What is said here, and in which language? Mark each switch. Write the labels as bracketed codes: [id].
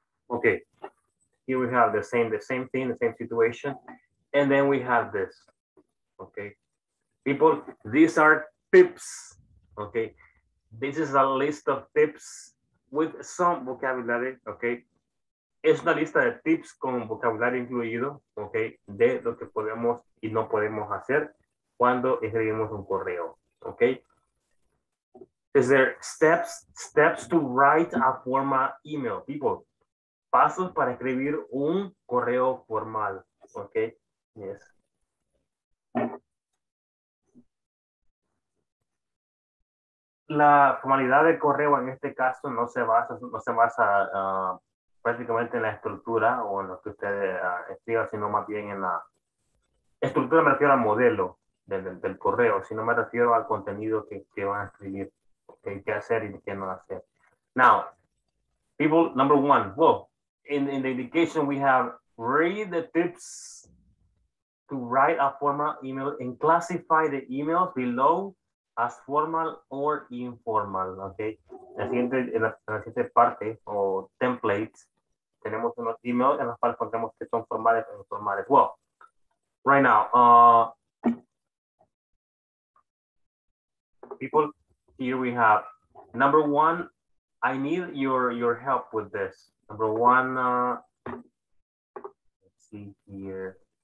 [en] Okay, here we have the same situation. And then we have this, okay? People, these are tips, okay? This is a list of tips with some vocabulary, okay? [es] Es una lista de tips con vocabulario incluido, ok, de lo que podemos y no podemos hacer cuando escribimos un correo, ok. [en] Is there steps to write a formal email, people? [es] Pasos para escribir un correo formal, ok. Yes. La formalidad del correo en este caso no se basa prácticamente en la estructura o en lo que usted escriba, sino más bien en la estructura, me refiero al modelo del correo, sino me refiero al contenido que van a escribir, okay, qué hacer y qué no hacer. [en] Now, people, number one, well, in the indication we have, read the tips to write a formal email and classify the emails below as formal or informal, okay? [es] En la siguiente parte o templates, tenemos unos emails en los cuales contamos que son formales o informales. [en] Well, right now, people, here we have number one. I need your help with this. Number one, let's see here.